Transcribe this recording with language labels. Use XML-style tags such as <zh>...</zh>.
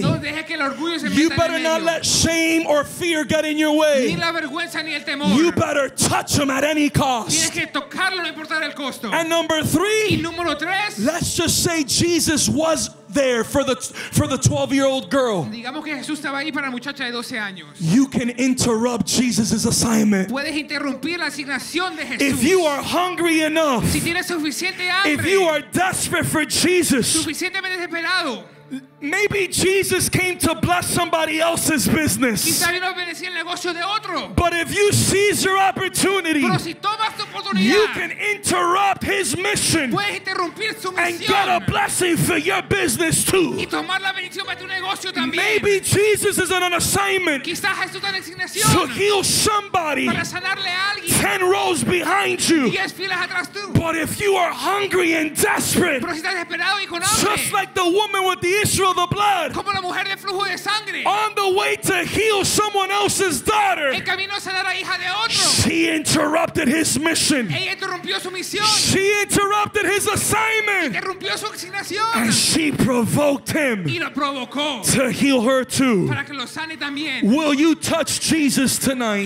<es>No deje que el orgullo se meta.</es> <en>You better</en> <es>en</es> <en>not</en> <es>medio.</es> <en>Let shame or fear get in your way.</en> <es>Ni la vergüenza ni el temor.</es> <en>You better touch him at any cost.</en> <es>Tienes que tocarlo, no importar el costo.</es> <en>And number three,</en> <es>y número tres,</es> <en>let's just say Jesus was there for the 12-year-old girl.</en> <es>Digamos que Jesús estaba ahí para la muchacha de 12 años.</es> <en>You can interrupt Jesus' assignment.</en> <es>Puedes interrumpir la asignación de Jesús.</es> <en>If you are hungry enough,</en> <es>si tienes suficiente hambre,</es> <en>if you are desperate for Jesus,</en> <es>suficientemente desesperado,</es> <en>maybe Jesus came to bless somebody else's business. But if you seize your opportunity, you can interrupt his mission and get a blessing for your business too. Maybe Jesus is on an assignment to heal somebody 10 rows behind you. But if you are hungry and desperate, just like the woman with the issue of the blood,</en> <es>como la mujer de flujo de sangre,</es> <en>on the way to heal someone else's daughter,</en> <es>en camino a sanar a hija de otro,</es> <en>she interrupted his mission.</en> <es>Ella interrumpió su misión.</es> <en>She interrupted his assignment.</en> <es>Interrumpió su asignación.</es> <en>And she provoked him</en> <es>y lo provocó</es> <en>to heal her too.</en> <es>Para que lo sane también.</es> <en>Will you touch Jesus tonight?</en>